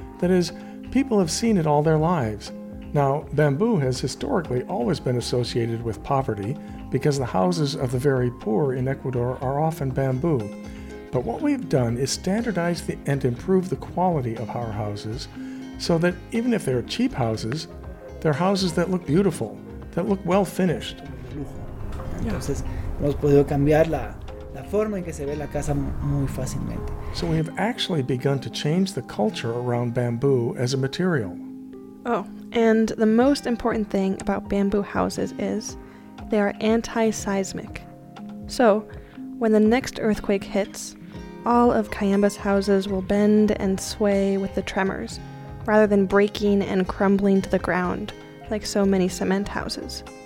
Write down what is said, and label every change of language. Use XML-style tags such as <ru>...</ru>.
<en>That is, people have seen it all their lives. Now, bamboo has historically always been associated with poverty because the houses of the very poor in Ecuador are often bamboo. But what we've done is standardize and improve the quality of our houses so that even if they're cheap houses, they're houses that look beautiful, that look well finished.</en> <es>Entonces, hemos podido cambiar la forma en que se ve la casa muy fácilmente.</es> <en>So we have actually begun to change the culture around bamboo as a material. Oh, and the most important thing about bamboo houses is they are anti-seismic. So, when the next earthquake hits, all of Cayamba's houses will bend and sway with the tremors, rather than breaking and crumbling to the ground, like so many cement houses.</en>